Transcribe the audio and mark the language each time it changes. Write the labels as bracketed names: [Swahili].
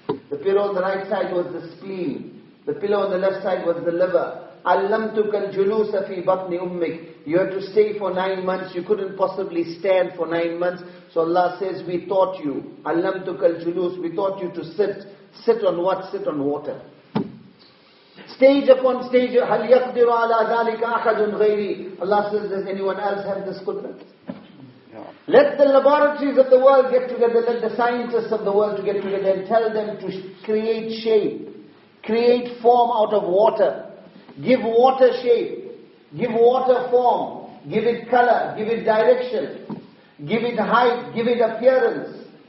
[English] The pillow on the right side was the spleen. The pillow on the left side was the liver. [Arabic] عَلَّمْتُكَ الْجُلُوسَ فِي بَطْنِ أُمِّكَ. [English] You had to stay for 9 months. You couldn't possibly stand for 9 months. So Allah says, we taught you. [Arabic] عَلَّمْتُكَ الْجُلُوسَ. [English] We taught you to sit. Sit on what? Sit on water. Stage upon stage, [Arabic] هَلْ يَقْدِرُ عَلَىٰ ذَلِكَ أَحَدٌ غَيْرِي. [English] Allah says, does anyone else have this qudrat? Let the laboratories of the world get together, let the scientists of the world get together and tell them to create shape, create form out of water. Give water shape, give water form, give it color, give it direction, give it height, give it appearance.